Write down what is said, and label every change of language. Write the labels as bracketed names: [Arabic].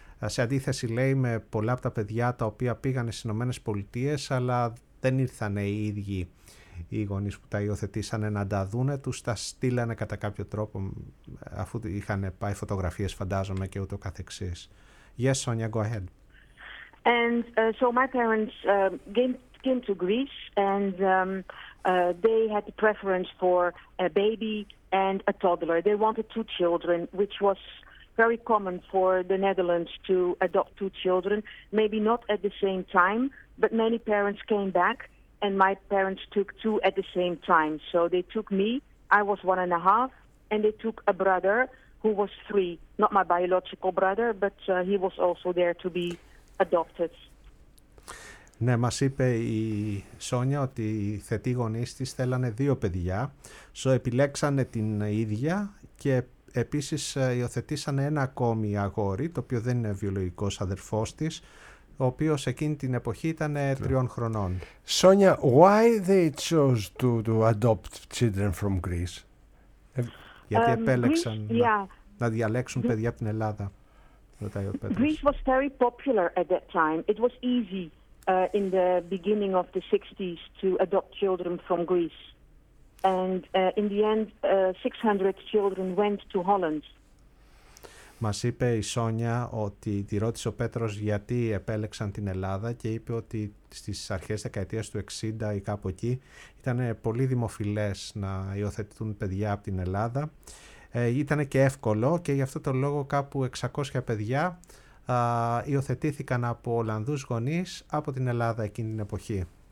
[Greek] Σε αντίθεση, λέει, με πολλά από τα παιδιά τα οποία πήγανε στις Ηνωμένες Πολιτείες, αλλά δεν ήρθανε οι ίδιοι οι γονείς που τα υιοθετήσανε να τα δούνε, τους τα στείλανε κατά κάποιο τρόπο αφού είχαν πάει φωτογραφίες, φαντάζομαι, και ούτω καθεξής. [English] Yes, Sonia, go ahead. And so my parents came to Greece and they had the preference for a baby and a toddler. They wanted two children, which was very common for the Netherlands to adopt two children. Maybe not at the same time, but many parents came back and my parents took two at the same time. So they took me, I was 1.5, and they took a brother who was 3. Not my biological brother, but he was also there to be adopted. [Greek] Ναι, μας είπε η Σόνια ότι οι θετοί γονείς της θέλανε 2 παιδιά. So επιλέξανε την ίδια και επίσης υιοθετήσανε ένα ακόμη αγόρι, το οποίο δεν είναι βιολογικός αδερφός της, ο οποίος εκείνη την εποχή ήταν 3 χρονών. [English] Σόνια, why they chose to adopt children from Greece? [Greek] Γιατί επέλεξαν να διαλέξουν παιδιά από την Ελλάδα. [English] Greece was very popular at that time. It was easy in the beginning of the 60s to adopt children from Greece. And in the end, 600 children went to Holland. [Greek] Μας είπε η Σόνια ότι τη ρώτησε ο Πέτρος γιατί επέλεξαν την Ελλάδα και είπε ότι στις αρχές δεκαετίας του 60 ή κάπου εκεί ήταν πολύ δημοφιλές να υιοθετηθούν παιδιά από την Ελλάδα. Ήταν και εύκολο και γι' αυτό το λόγο κάπου 600 παιδιά υιοθετήθηκαν από Ολλανδούς γονείς από την Ελλάδα εκείνη την εποχή.